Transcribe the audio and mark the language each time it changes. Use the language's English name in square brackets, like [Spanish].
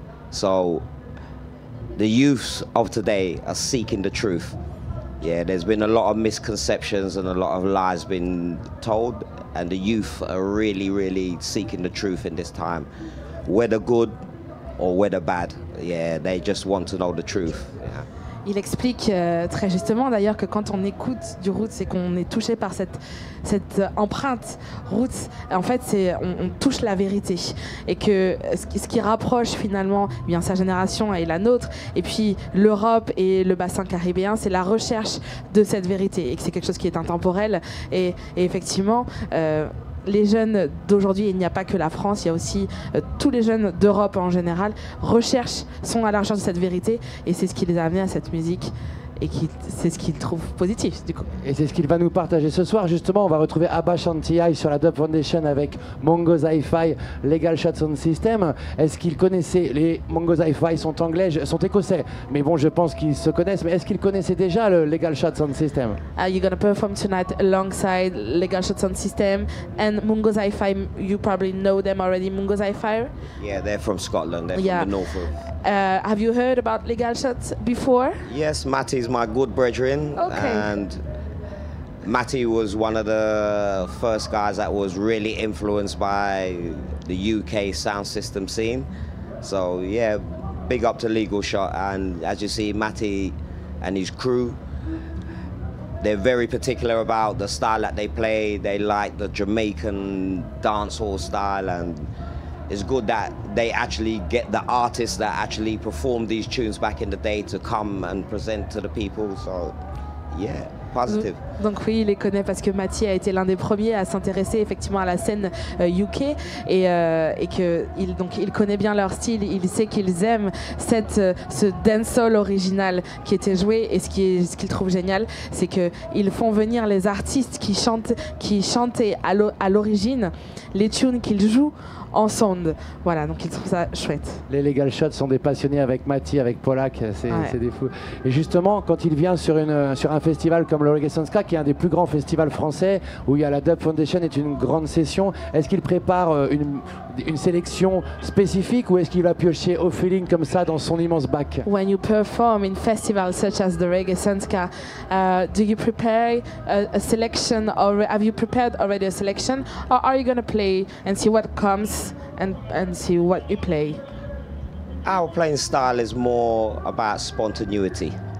[English] So the youths of today are seeking the truth. Yeah, there's been a lot of misconceptions and a lot of lies been told, and the youth are really, really seeking the truth in this time. Whether good or whether bad, yeah, they just want to know the truth. Yeah. [French] Il explique très justement d'ailleurs que quand on écoute du roots et qu'on est touché par cette empreinte roots, en fait, on touche la vérité. Et que ce qui rapproche finalement bien sa génération et la nôtre, et puis l'Europe et le bassin caribéen, c'est la recherche de cette vérité. Et que c'est quelque chose qui est intemporel. Et effectivement, les jeunes d'aujourd'hui, il n'y a pas que la France, il y a aussi tous les jeunes d'Europe en général, sont à la recherche de cette vérité, et c'est ce qui les a amenés à cette musique et qui, c'est ce qu'il trouve positif du coup. Et c'est ce qu'il va nous partager ce soir. Justement, on va retrouver ABA SHANTI sur la Dub Foundation avec Mongo's Hi-Fi, Legal Shot Sound System. Est-ce qu'il connaissait, les Mongo's Hi-Fi sont anglais, sont écossais, mais bon, je pense qu'ils se connaissent, mais est-ce qu'il connaissait déjà le Legal Shot Sound System? [English] You're gonna perform tonight alongside Legal Shot Sound System and Mongo's Hi-Fi. You probably know them already, Mongo's Hi-Fi? Yeah, they're from Scotland, they're from the north of... Have you heard about Legal Shot before? Yes, Matty is my good brethren. Okay. And Matty was one of the first guys that was really influenced by the UK sound system scene. So yeah, big up to Legal Shot. And as you see, Matty and his crew, they're very particular about the style that they play. They like the Jamaican dancehall style, and it's good that they actually get the artists that actually performed these tunes back in the day to come and present to the people. So, yeah, positive. [French] Donc oui, il les connaît parce que Matty a été l'un des premiers à s'intéresser effectivement à la scène UK et que il, donc il connaît bien leur style, il sait qu'ils aiment cette ce dancehall original qui était joué, et ce qui ce qu'il trouve génial, c'est que ils font venir les artistes qui chantaient à l'origine les tunes qu'ils jouent en sound. Voilà, donc ils trouvent ça chouette. Les Legal Shots sont des passionnés avec Matty, avec Polak, c'est, ouais, c'est des fous. Et justement, quand il vient sur, une, sur un festival comme le Reggae Sun Ska, qui est un des plus grands festivals français, où il y a la Dub Foundation, est une grande session, est-ce qu'il prépare une sélection spécifique, ou est-ce qu'il va piocher au feeling comme ça dans son immense bac? [English] When you perform in festivals such as the Reggae Sun Ska, do you prepare a selection, or have you prepared already a selection, or are you going to play and see what comes? And see what you play. Our playing style is more about spontaneity.